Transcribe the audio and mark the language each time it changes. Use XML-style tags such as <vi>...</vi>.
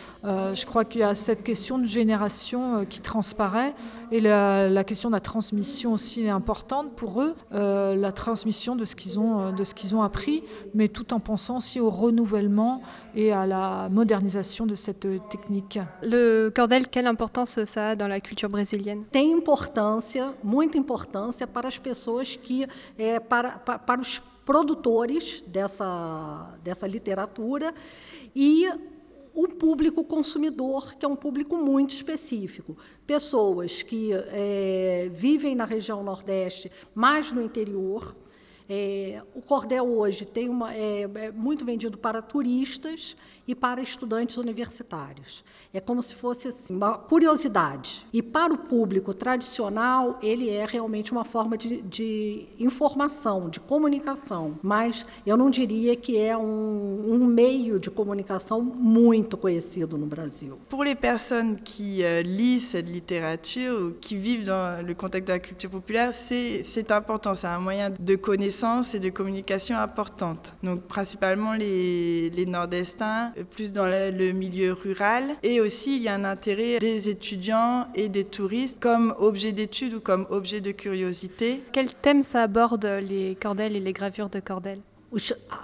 <fr>Je crois qu'il y a cette question de génération qui transparaît, et la question de la transmission aussi est importante pour eux, la transmission de ce qu'ils ont appris, mais tout en pensant aussi au renouvellement et à la modernisation de cette technique. Le cordel, quelle importance ça a dans la culture brésilienne ?</fr> <pt>Tem importância, muita importância para as pessoas que para os produtores dessa literatura e o público consumidor, que é um público muito específico. Pessoas que vivem na região Nordeste, mas no interior. O cordel hoje é muito vendido para turistas e para estudantes universitários. É como se fosse assim, uma curiosidade. E para o público tradicional, ele é realmente uma forma de informação, de comunicação. Mas eu não diria que é um meio de comunicação muito conhecido no Brasil. Para as pessoas que lêem essa literatura, que vivem no contexto da cultura popular, é importante, é um meio de conhecimento</pt> <fr>et de communication</fr> <pt>importante.</pt> <fr>Donc principalement les nord-estins, plus dans le milieu rural. Et aussi, il y a un intérêt des étudiants et des touristes comme objet d'étude ou comme objet de curiosité. Quel thème ça aborde, les cordels et les gravures de cordels ?</fr>